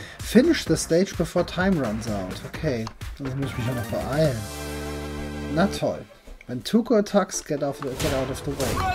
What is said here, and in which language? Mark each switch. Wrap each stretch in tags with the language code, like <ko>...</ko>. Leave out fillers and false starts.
<en>Finish the stage before time runs out.</en> <de>Okay, dann muss ich mich noch beeilen. Na toll.</de> <en>When Tuco attacks, get out of the way.</en>